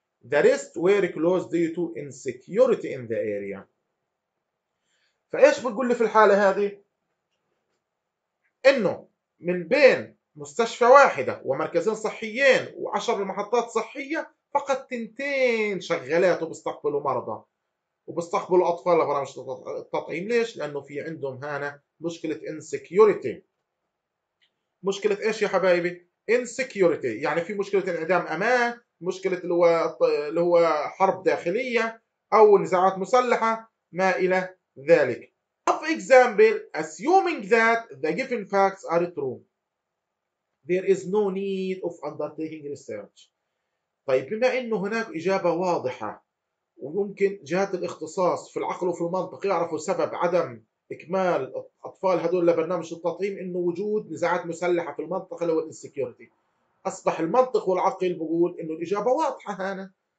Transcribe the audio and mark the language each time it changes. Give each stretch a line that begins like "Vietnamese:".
English: The rest were closed due to insecurity in the area.
Arabic: فإيش بقول لي في الحالة هذه؟ إنه من بين مستشفى واحدة ومركزين صحيين وعشر المحطات الصحية، فقط تنتين شغالات وبيستقبلوا مرضى وبيستقبلوا أطفال لبرامج التطعيم. ليش؟ لأنه في عندهم هنا مشكلة insecurity. مشكلة إيش يا حبايبي؟ insecurity يعني في مشكلة انعدام أمان، مشكلة اللي هو حرب داخلية أو نزاعات مسلحة ما إلى ذلك.
English: Of example, assuming that the given facts are true, there is no need of undertaking research.
Arabic: طيب، بما إنه هناك إجابة واضحة ويمكن جهات الاختصاص في العقل وفي المنطق يعرفوا سبب عدم إكمال أطفال هذول لبرنامج التطعيم، إنه وجود نزاعات مسلحة في المنطقة اللي هو insecurity، أصبح المنطق والعقل بقول إنه الإجابة واضحة هنا.